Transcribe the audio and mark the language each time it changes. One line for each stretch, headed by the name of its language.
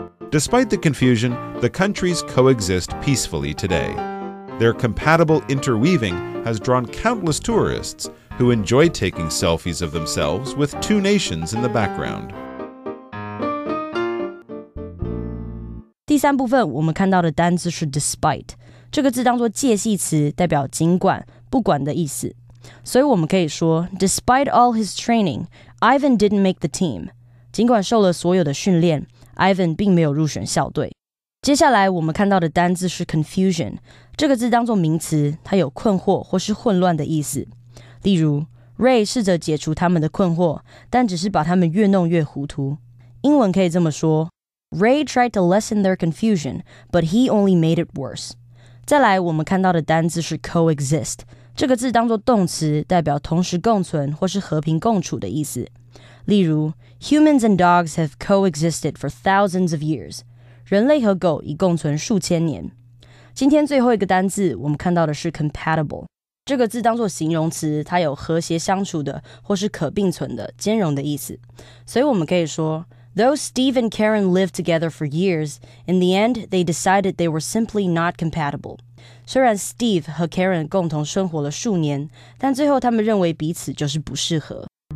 English: Despite the confusion, the countries coexist peacefully today. Their compatible interweaving has drawn countless tourists who enjoy taking selfies of themselves with two nations in the background.
Chinese: 第三部分我们看到的单字是 despite， 这个字当作介系词代表尽管、不管的意思。所以我们可以说
English: ，Despite all his training, Ivan didn't make the team.
Chinese: 尽管受了所有的训练。Ivan 并没有入选校队。接下来我们看到的单字是 confusion， 这个字当作名词，它有困惑或是混乱的意思。例如 ，Ray 试着解除他们的困惑，但只是把他们越弄越糊涂。英文可以这么说
English: ：Ray tried to lessen their confusion, but he only made it worse。
Chinese: 再来，我们看到的单字是 coexist， 这个字当作动词，代表同时共存或是和平共处的意思。例如
English: ，humans and dogs have coexisted for thousands of years.
Chinese: 人类和狗已共存数千年。今天最后一个单字，我们看到的是 compatible。这个字当作形容词，它有和谐相处的或是可并存的、兼容的意思。所以我们可以说
English: ，Though Steve and Karen lived together for years, in the end, they decided they were simply not compatible.
Chinese: 虽然 Steve 和 Karen 共同生活了数年，但最后他们认为彼此就是不适合。